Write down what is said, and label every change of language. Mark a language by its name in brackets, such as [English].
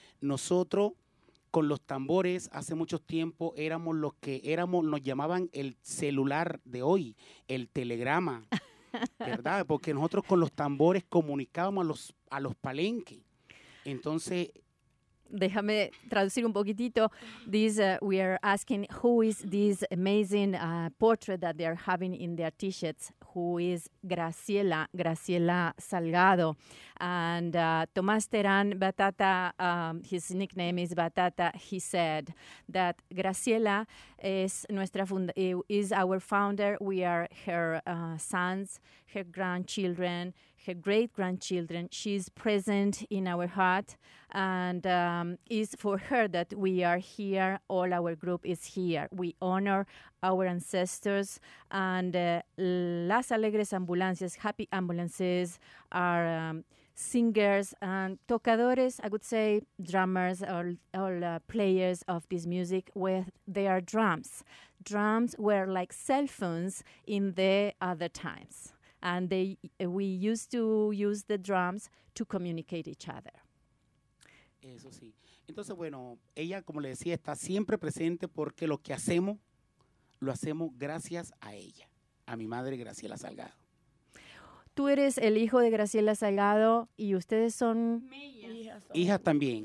[Spanish] Nosotros, con los tambores, hace mucho tiempo éramos los que éramos, nos llamaban el celular de hoy, el telegrama, ¿verdad? Porque nosotros con los tambores comunicábamos a los palenques. Entonces, déjame traducir un poquitito. [English] We are asking who is this amazing portrait that they are having in their t-shirts. Who is Graciela Salgado. And Tomás Terán Batata, his nickname is Batata, he said that Graciela is our founder. We are her sons, her grandchildren, her great-grandchildren. She's present in our heart, and it's for her that we are here. All our group is here. We honor our ancestors, and Las Alegres Ambulancias, Happy Ambulances, are singers and tocadores, I would say, drummers or all players of this music with their drums. Drums were like cell phones in the other times. And we used to use the drums to communicate each other. [Spanish] Eso sí. Entonces, bueno, ella, como le decía, está siempre presente porque lo que hacemos, lo hacemos gracias a ella, a mi madre Graciela Salgado. Tú eres el hijo de Graciela Salgado y ustedes son... Hijas también.